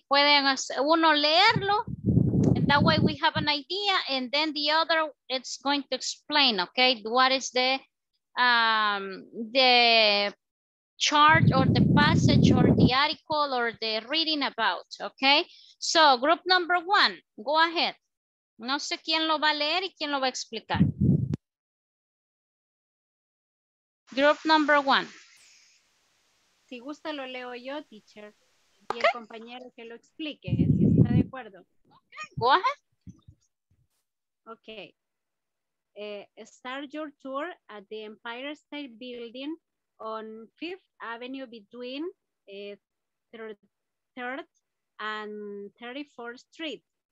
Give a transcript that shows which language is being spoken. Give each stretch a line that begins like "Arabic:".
Spanish: Pueden uno leerlo.
English: That way we have an idea and then the other, it's going to explain, okay? What is the chart or the passage or the article or the reading about, okay? So group number one, go ahead.
Spanish: No sé quién lo va a leer y quién lo va a explicar.
English: Group number one.
Spanish: Si gusta lo leo yo, teacher, y el compañero que lo explique, si está de acuerdo.
English: Go ahead. Okay. Start your tour at the Empire State Building on Fifth Avenue between 3rd and 34th Street.